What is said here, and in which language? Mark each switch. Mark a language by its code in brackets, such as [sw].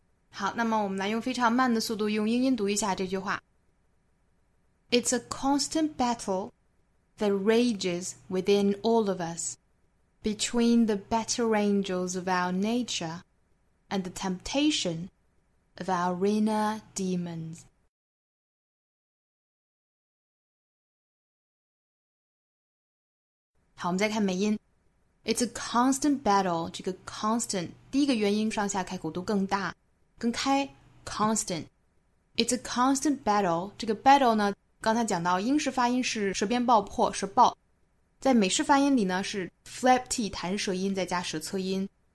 [zh] 好，那么我们来用非常慢的速度用英音读一下这句话。 [en] It's a constant battle that rages within all of us between the better angels of our nature and the temptation of our inner demons. Okay, let's look at the sound. It's a constant battle. This constant, the first [zh] 元音上下开口都更大。更开 constant. [en] It's a constant battle. [zh] 这个 battle 呢，刚才讲到英式发音是舌边爆破，是爆。在美式发音里呢是 flap t 弹舌音再加舌侧音。